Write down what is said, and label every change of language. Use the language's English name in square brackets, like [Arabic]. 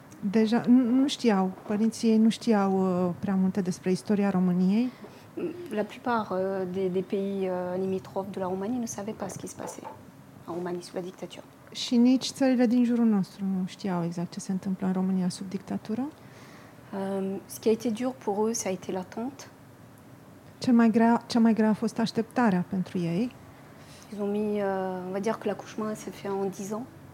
[French] Déjà, [Romanian] nu știau, părinții ei nu știau prea multe despre istoria României. [French] La plupart des pays limitrophes de la Roumanie ne savaient pas ce qui se passait. [Romanian] România sub dictatură. Și nici țările din jurul nostru nu știau exact ce se întâmplă în România sub dictatură. [French] Ce a été dur pour eux, ça a été l'attente. [Romanian] Cea mai grea a fost așteptarea pentru ei. [French] Ils ont mis, on va dire que l'accouchement s'est fait en 10 ans.